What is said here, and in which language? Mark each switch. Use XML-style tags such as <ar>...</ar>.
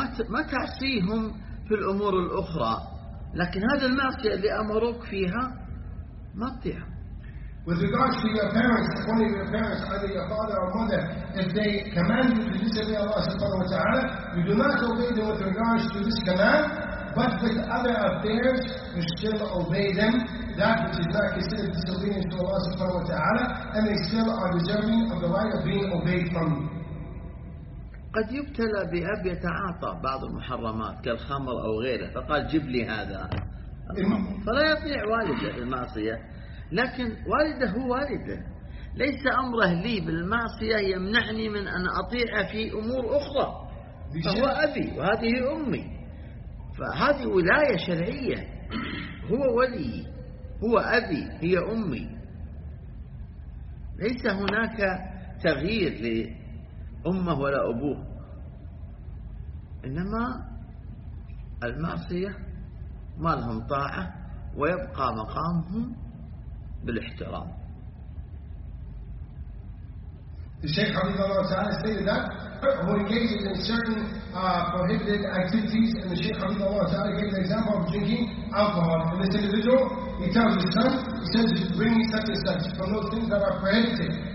<ar>ما تعصيهم في الأمور الأخرى لكن هذا المعصية اللي أمروك فيها ما تطيعها.</ar> <en>With regards to your parents, one of your parents, either your father or mother, if they command you to disobey Allah subhanahu wa ta'ala, you do not obey them with regards to this command, but with other affairs, you still obey them, that which is not considered disobedience to Allah subhanahu wa ta'ala, and they still are deserving of the right of being obeyed from you.</en> <ar>قد يبتلى بأب يتعاطى بعض المحرمات كالخمر أو غيره فقال جيب لي هذا فلا يطيع والده المعصية لكن والده هو والده ليس أمره لي بالمعصية يمنعني من أن أطيع في أمور أخرى فهو أبي وهذه أمي فهذه ولاية شرعية هو ولي هو أبي هي أمي ليس هناك تغيير لي أمه ولا أبوه إنما المعصية ما لهم طاعة ويبقى مقامهم بالاحترام</ar> <en>The Shaykh Habibullah Ta'ala stated that who engages in certain prohibited activities, and the Shaykh Habibullah Ta'ala gave the example of drinking alcohol. And this individual, he tells his son, he says, bring me such and such from those things that are prohibited.</en>